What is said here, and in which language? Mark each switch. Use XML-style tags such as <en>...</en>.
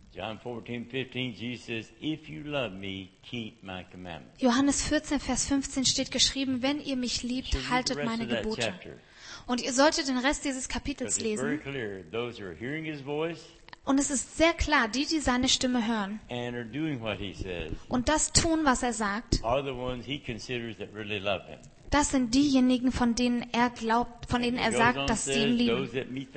<en>John 14:15, Jesus says, if you love me, keep my commandments.</en> <de>Johannes 14:15 steht geschrieben, wenn ihr mich liebt, haltet meine Gebote. Und ihr solltet den Rest dieses Kapitels lesen.</de> <en>Very clear, those who are hearing his voice,</en> <de>und es ist sehr klar, die seine Stimme hören</de> <en>and are doing what he says,</en> <de>und das tun, was er sagt,</de> <en>are the ones he considers that really love him.</en> <de>Das sind diejenigen, von denen er glaubt, von denen er sagt, dass sie ihn lieben.</de>